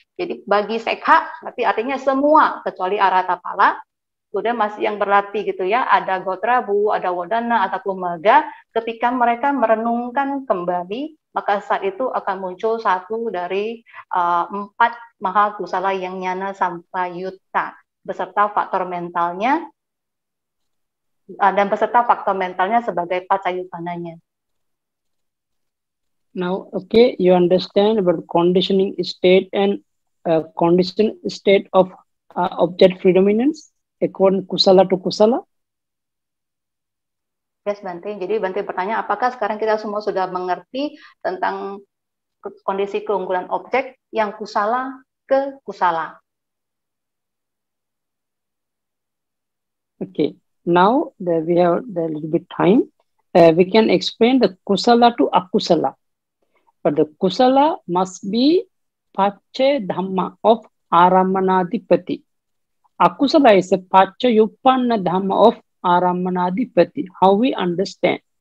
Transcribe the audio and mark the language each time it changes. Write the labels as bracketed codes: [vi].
[id] Jadi bagi sekha, tapi artinya semua kecuali arahata pala, kemudian masih yang berlatih gitu ya, ada gotrabu, ada wodana, ataupun maga, ketika mereka merenungkan kembali, maka saat itu akan muncul satu dari empat maha kusala yang nyana sampayuta, beserta faktor mentalnya, dan beserta faktor mentalnya sebagai pacayutananya. [en] Now, okay, you understand about conditioning state and conditioned state of object predominance according kusala to kusala? Yes, Bante. [id] Jadi Bante bertanya, apakah sekarang kita semua sudah mengerti tentang kondisi keunggulan objek yang kusala ke kusala? [en] Okay, now that we have a little bit time, we can explain the kusala to akusala. But the kusala must be pachya dhamma of aramanadipati. Akusala is a pachya yuppanna dhamma of aramanadipati. How we understand?